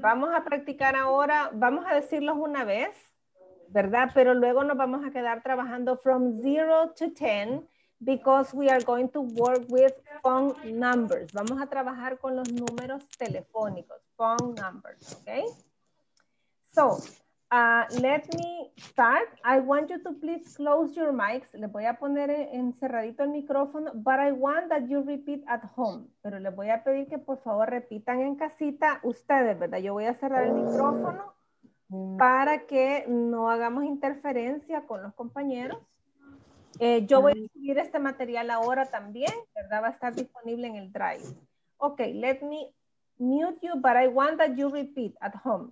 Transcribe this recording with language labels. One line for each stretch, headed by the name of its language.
Spanish: Vamos a practicar ahora, vamos a decirlos una vez, ¿verdad? Pero luego nos vamos a quedar trabajando
English: from 0 to 10. Because we are going to work with phone numbers.
Spanish: Vamos a trabajar con los números telefónicos, phone numbers, okay? So,
English: Let me start. I want you to please close your mics.
Spanish: Le voy a poner en cerradito el micrófono,
English: but I want that you repeat at home.
Spanish: Pero le voy a pedir que por favor repitan en casita ustedes, ¿verdad? Yo voy a cerrar el micrófono para que no hagamos interferencia con los compañeros. Yo voy a subir este material ahora también, ¿verdad? Va a estar disponible en el Drive.
English: Okay, let me mute you, but I want that you repeat at home.